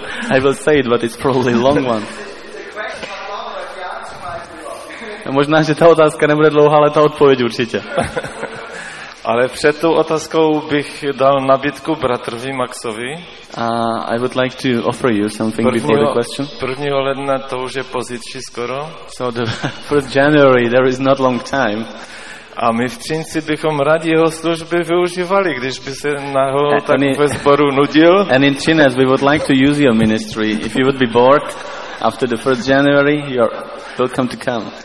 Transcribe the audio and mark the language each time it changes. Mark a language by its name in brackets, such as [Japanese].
[English] I will say it, but it's probably a long one. [Czech] Možná, že ta otázka nebude dlouhá, ale ta odpověď určitě. Ale před tou otázkou bych dal nabídku bratrovi Maxovi. [English] I would like to offer you something before the question. [Czech] 1. ledna to už je pozítří skoro. [English] So the 1st January, there is not long time. [Czech] A my v Třinci bychom rádi jeho služby využívali, když by se na ho tak ve sboru nudil. [English] And in Třinec, we would like to use your ministry. If you would be bored after the 1st January, you're welcome to come.